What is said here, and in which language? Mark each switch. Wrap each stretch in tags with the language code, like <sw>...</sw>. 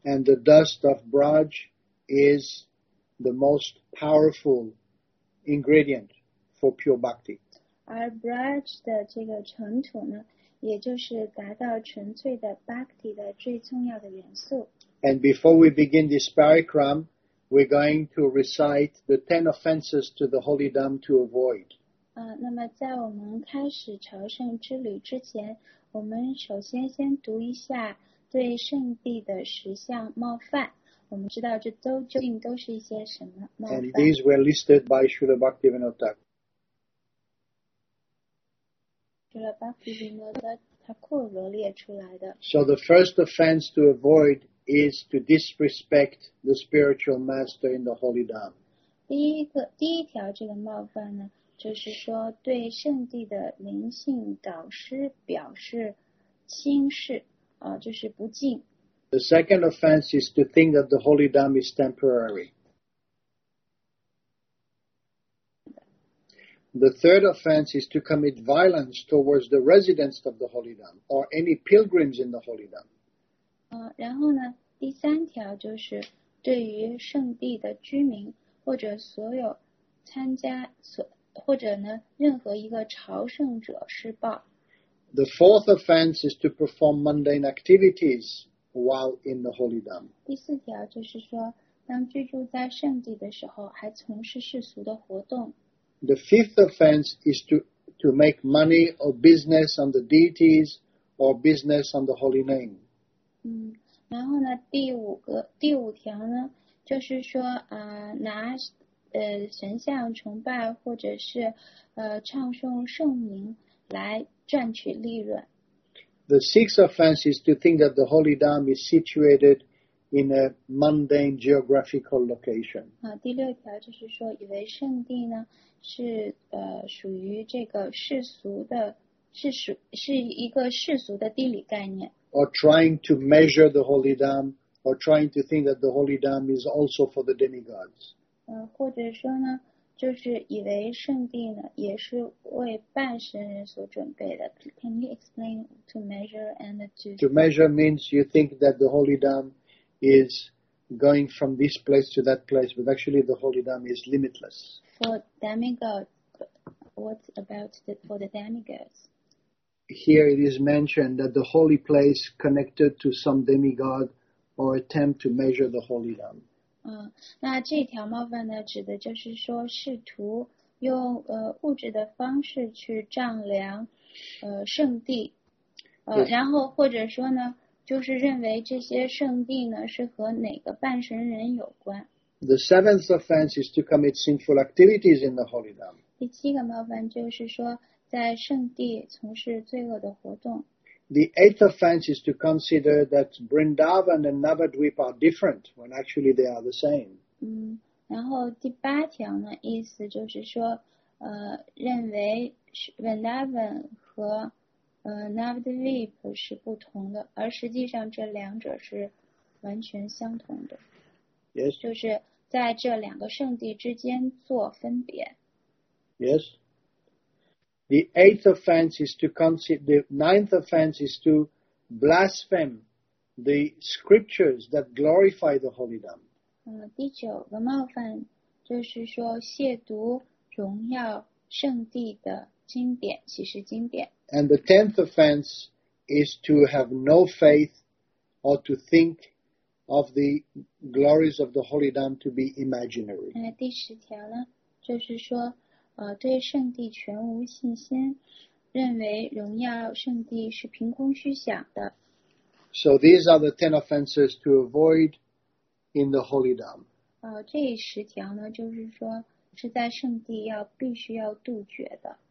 <en>And the dust of Braj is the most powerful ingredient for pure bhakti.</en> <zh>而 Braj 的这个尘土呢，也就是达到纯粹的 bhakti 的最重要的元素。</zh> <en>And before we begin this parikram, we're going to recite the 10 offenses to the holy dham to avoid.</en> <zh>那么在我们开始朝圣之旅之前，我们首先先读一下对圣地的十项冒犯，我们知道这都究竟都是一些什么冒犯。</zh> <en>And these were listed by Srila Bhaktivinoda Thakur.</en> <zh>Srila Bhaktivinoda Thakur 罗列出来的。</zh> <en>So the first offense to avoid is to disrespect the spiritual master in the holy dham.</en> <zh>第一条这个冒犯呢，就是说对圣地的灵性导师表示轻视，就是不敬。</zh> <en>The second offense is to think that the holy dham is temporary. The third offense is to commit violence towards the residents of the holy dham or any pilgrims in the holy dham.</en> <zh>然后呢，第三条就是对于圣地的居民或者所有参加或者呢任何一个朝圣者施暴。</zh> <en>The fourth offense is to perform mundane activities while in the holy dham.</en> <zh>第四条就是说当居住在圣地的时候还从事世俗的活动。</zh> <en>The fifth offense is to make money or business on the deities or business on the holy name.</en> <zh>然后呢第五条呢就是说拿神像崇拜或者是唱诵圣名来赚取利润。</zh> <en>The sixth offense is to think that the holy dham is situated in a mundane geographical location.</en> <zh>第六条就是说以为圣地呢是属于这个世俗的是一个世俗的地理概念。</zh> <en>Or trying to measure the holy dham or trying to think that the holy dham is also for the demigods.</en> <zh>或者说呢就是以为圣地呢也是为半神人所准备的。</zh> <en>Can you explain to measure and to... To measure means you think that the holy dham is going from this place to that place, but actually the holy dham is limitless. For demigods, what about for the demigods? Here it is mentioned that the holy place connected to some demigod or attempt to measure the holy dham.</en> <zh>那这条冒犯呢指的就是说试图用物质的方式去丈量圣地。然后或者说呢就是认为这些圣地呢是和哪个半神人有关。</zh> <en>The seventh offense is to commit sinful activities in the holy dham.</en> <zh>第七个麻烦就是说在圣地从事罪恶的活动。</zh> <en>The eighth offense is to consider that Vrindavan and Navadvipa are different when actually they are the same.</en> <zh>然后第八条呢意思就是说认为 Vrindavan 和Navadvip 是不同的而实际上这两者是完全相同的。</zh> <en>Yes.</en> <zh>就是在这两个圣地之间做分别。</zh> <en>Yes. The eighth offense is to consider, the ninth offense is to blaspheme the scriptures that glorify the Holy Dhamma.</en> <zh>第九个冒犯就是说亵渎荣耀圣地的经典启示经典。</zh> <en>And the tenth offense is to have no faith or to think of the glories of the Holy Dhamma to be imaginary.</en> <zh>第十条呢就是说对圣地全无信心，认为荣耀圣地是凭空虚想的。</zh> <en>So these are the ten offenses to avoid in the Holy Dhamma.</en> <zh>这十条呢，就是说是在圣地要必须要杜绝的。</zh>